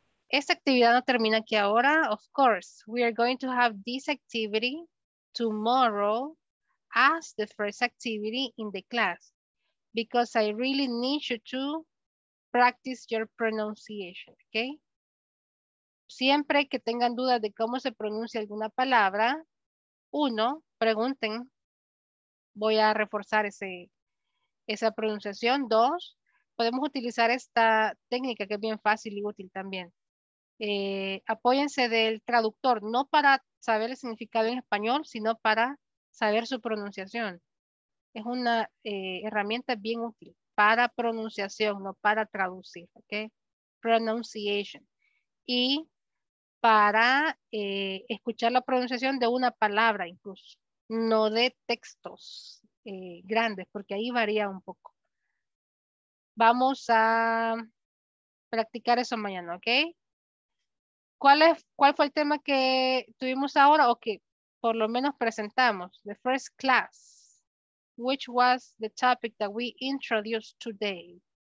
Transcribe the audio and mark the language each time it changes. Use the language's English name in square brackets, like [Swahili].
[Spanish] Esta actividad no termina aquí ahora. [English] Of course, we are going to have this activity tomorrow as the first activity in the class, because I really need you to practice your pronunciation, okay? [Spanish] Siempre que tengan dudas de cómo se pronuncia alguna palabra, uno, pregunten, voy a reforzar esa pronunciación. Dos, podemos utilizar esta técnica que es bien fácil y útil también. Apóyense del traductor, no para saber el significado en español, sino para saber su pronunciación. Es una herramienta bien útil para pronunciación, no para traducir, ¿ok? Pronunciation. Y para escuchar la pronunciación de una palabra incluso, no de textos grandes, porque ahí varía un poco. Vamos a practicar eso mañana, ¿ok? ¿Cuál fue el tema que tuvimos ahora o que por lo menos presentamos? [English] The first class. Which was the topic that we introduced today?